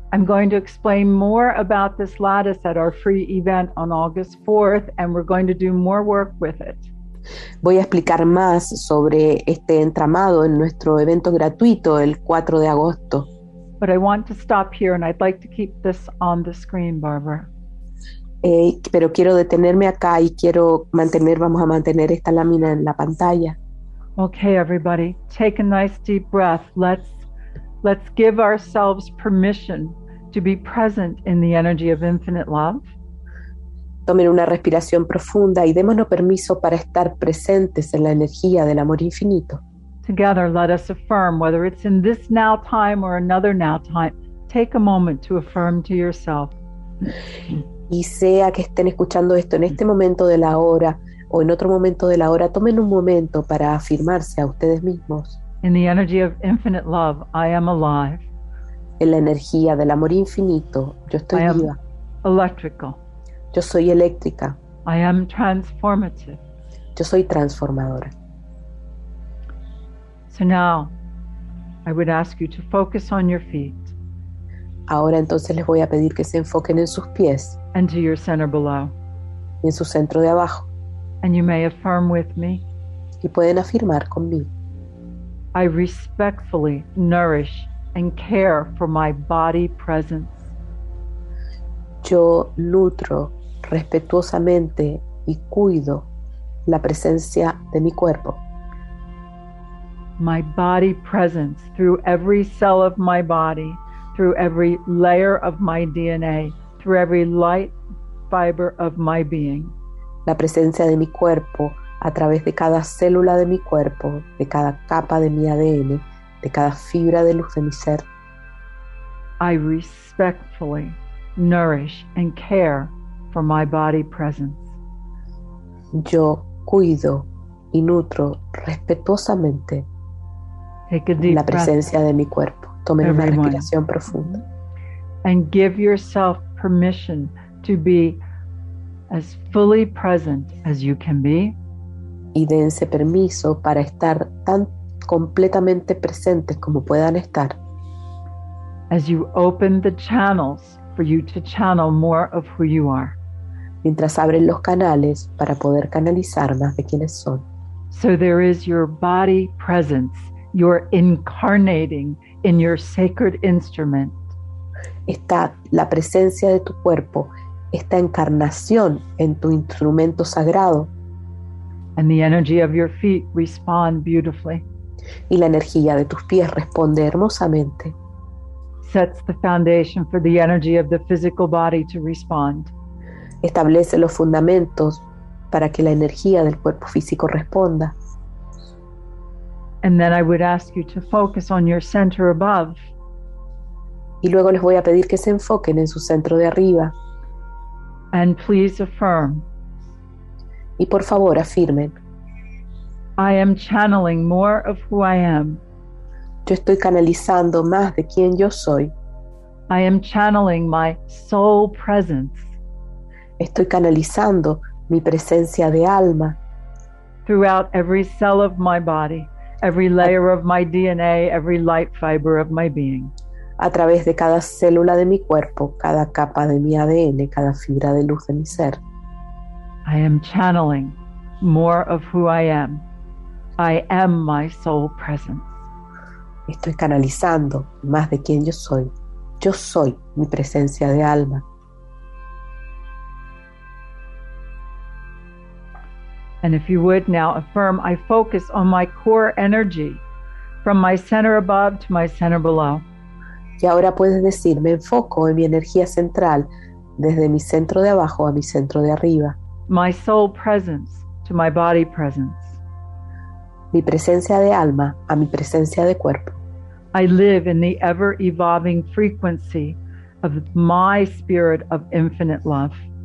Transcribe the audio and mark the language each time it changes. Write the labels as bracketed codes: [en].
[en] I'm going to explain more about this lattice at our free event on August 4th, and we're going to do more work with it. [es] Voy a explicar más sobre este entramado en nuestro evento gratuito el 4 de agosto. [en] But I want to stop here and I'd like to keep this on the screen, Barbara. [es] Pero quiero detenerme acá y quiero mantener, vamos a mantener esta lámina en la pantalla. [en] Okay, everybody, take a nice deep breath. Let's give ourselves permission to be present in the energy of infinite love. [es] Tomen una respiración profunda y démonos permiso para estar presentes en la energía del amor infinito. [en] Together, let us affirm, whether it's in this now time or another now time, take a moment to affirm to yourself. [es] Y sea que estén escuchando esto en este momento de la hora o en otro momento de la hora, tomen un momento para afirmarse a ustedes mismos. [en] In the energy of infinite love, I am alive. [es] En la energía del amor infinito, yo estoy viva. [en] I am electrical. [es] Yo soy eléctrica. [en] I am transformative. [es] Yo soy transformadora. [en] So now, I would ask you to focus on your feet. [es] Ahora entonces les voy a pedir que se enfoquen en sus pies. [en] And to your center below. [es] Y en su centro de abajo. [en] And you may affirm with me. [es] Y pueden afirmar conmigo. [en] I respectfully nourish and care for my body presence. [es] Yo nutro respetuosamente y cuido la presencia de mi cuerpo. [en] My body presence through every cell of my body, through every layer of my DNA, through every light fiber of my being. [es] La presencia de mi cuerpo a través de cada célula de mi cuerpo, de cada capa de mi ADN, de cada fibra de luz de mi ser. [en] I respectfully nourish and care for my body presence. [es] Yo cuido y nutro respetuosamente la presencia de mi cuerpo. Tomen una respiración profunda. [en] And give yourself permission to be as fully present as you can be. [es] Y dense permiso para estar tan completamente presentes como puedan estar. [en] As you open the channels for you to channel more of who you are. [es] Mientras abren los canales para poder canalizar más de quienes son. [en] So there is your body presence, you're incarnating in your sacred instrument. [es] Está la presencia de tu cuerpo, esta encarnación en tu instrumento sagrado. [en] And the energy of your feet respond beautifully. [es] Y la energía de tus pies responde hermosamente. [en] Sets the foundation for the energy of the physical body to respond. [es] Establece los fundamentos para que la energía del cuerpo físico responda. [en] And then I would ask you to focus on your center above. [es] Y luego les voy a pedir que se enfoquen en su centro de arriba. [en] And please affirm. [es] Y por favor, afirmen. [en] I am channeling more of who I am. [es] Yo estoy canalizando más de quien yo soy. [en] I am channeling my soul presence. [es] Estoy canalizando mi presencia de alma. [en] Throughout every cell of my body, every layer of my DNA, every light fiber of my being. [es] A través de cada célula de mi cuerpo, cada capa de mi ADN, cada fibra de luz de mi ser. [en] I am channeling more of who I am. I am my soul presence. [es] Estoy canalizando más de quien yo soy. Yo soy mi presencia de alma. [en] And if you would now affirm, I focus on my core energy from my center above to my center below. [es] Y ahora puedes decir, me enfoco en mi energía central desde mi centro de abajo a mi centro de arriba. [en] My soul presence to my body presence. [es] Mi presencia de alma a mi presencia de cuerpo. [en] I live in the ever evolving frequency of my spirit of infinite love.